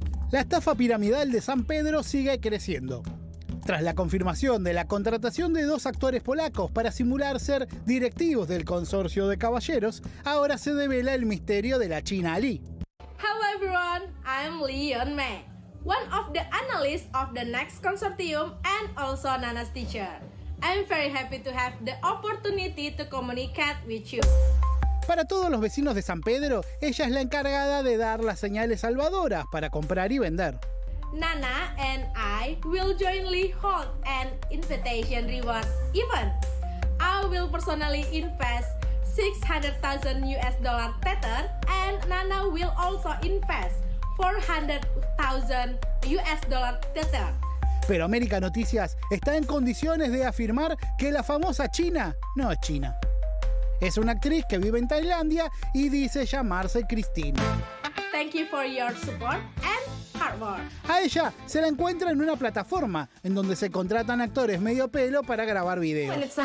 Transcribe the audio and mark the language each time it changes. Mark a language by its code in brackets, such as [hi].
[es] La estafa piramidal de San Pedro sigue creciendo. Tras la confirmación de la contratación de dos actores polacos para simular ser directivos del consorcio de caballeros, ahora se devela el misterio de la China Li. [en] Hello everyone, I'm Li Yunmei, one of the analysts of the Next Consortium and also Nana's teacher. I'm very happy to have the opportunity to communicate with you. [es] Para todos los vecinos de San Pedro, ella es la encargada de dar las señales salvadoras para comprar y vender. [en] Nana and I will jointly hold an invitation reward event. I will personally invest $600,000 tether and Nana will also invest $400,000 tether. [es] Pero América Noticias está en condiciones de afirmar que la famosa China no es China. Es una actriz que vive en Tailandia y dice llamarse Cristina. [en] Thank you for your support and hard work. [es] A ella se la encuentra en una plataforma en donde se contratan actores medio pelo para grabar videos.